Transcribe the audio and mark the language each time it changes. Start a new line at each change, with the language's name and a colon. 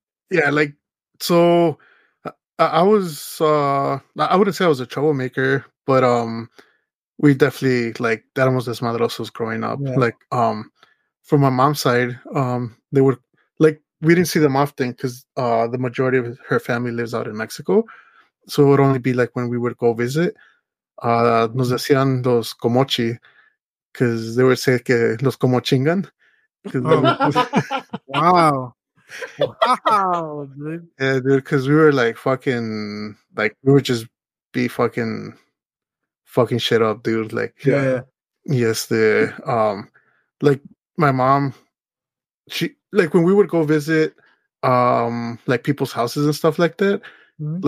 English: Yeah, like, so I wouldn't say I was a troublemaker, but we definitely, like, that was just my little sister growing up. Yeah. Like, from my mom's side, they were, like, we didn't see them often because the majority of her family lives out in Mexico. So it would only be, like, when we would go visit.
Spanish: Nos decían los comochi,
English: because they would say
Spanish: que los como chingan.
English: Wow. Wow, dude. Yeah, dude, because we were like fucking, like, we would just be fucking shit up, dude. Like, yeah. Yes, the like, my mom, she, like, when we would go visit, like, people's houses and stuff like that, mm-hmm.